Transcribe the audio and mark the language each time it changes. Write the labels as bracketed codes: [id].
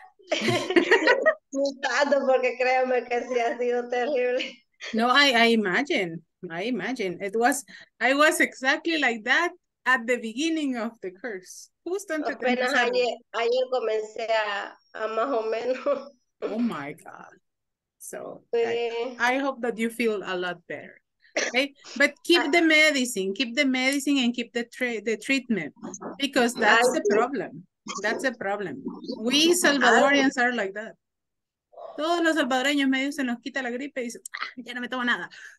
[es] Tanto, porque créeme que sí ha sido terrible. [en] No, I imagine. I was exactly like that at the beginning of the curse. [es] Justo antes de empezar. Ayer comencé a más o menos. [en] Oh, my God. So I hope that you feel a lot better, okay? But keep the medicine, and keep the treatment, because that's the problem. That's the problem. We Salvadorians are like that. [es] Todos los salvadoreños medio se nos quita la gripe y dicen, ya no me tomo nada.